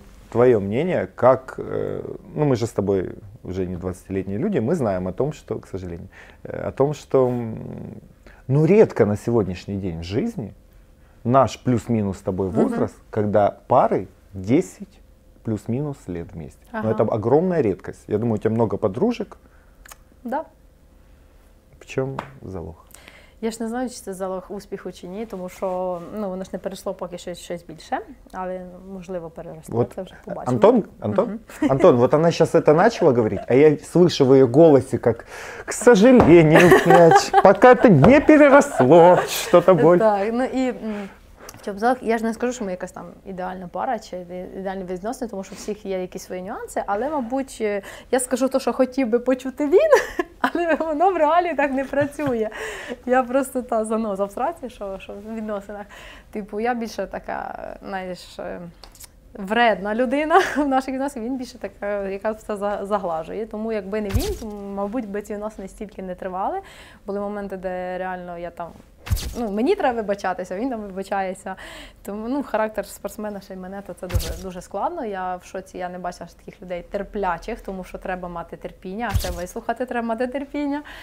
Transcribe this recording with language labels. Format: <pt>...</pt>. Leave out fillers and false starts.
<ru>Твое мнение, как, ну мы же с тобой уже не 20-летние люди, мы знаем о том, что, к сожалению, о том, что, ну редко на сегодняшний день в жизни наш плюс-минус с тобой возраст, когда пары 10 плюс-минус лет вместе. Ага. Но это огромная редкость. Я думаю, у тебя много подружек. Да. В чем залог?</ru> <uk>Я ж не знаю, чи це залог успіху чи ні, тому що ну, воно ж не перейшло поки що щось більше, але можливо переросте, вот, це вже побачимо. Антон, Антон, uh-huh.</uk> <ru>Антон, вот она сейчас это начала говорить, а я слышу в ее голосе, как, к сожалению, князь, пока это не переросло, что-то больше. Так, ну и...</ru> <uk>Я ж не скажу, що ми якась там ідеальна пара чи ідеальні відносини, тому що всіх є якісь свої нюанси, але, мабуть, я скажу те, що хотів би почути він, але воно в реалі так не працює. Я просто та заноза в сраці, що в відносинах. Типу, я більше така, знаєш, вредна людина в наших відносинах, він більше така, яка все заглажує. Тому, якби не він, то, мабуть, би ці відносини стільки не тривали. Були моменти, де реально я там... Ну, мені треба вибачатися, він там вибачається. Тому ну, характер спортсмена ще й мене, то це дуже, дуже складно. Я в шоці, я не бачила ж таких людей терплячих, тому що треба мати терпіння, а ще вислухати треба мати терпіння.</uk>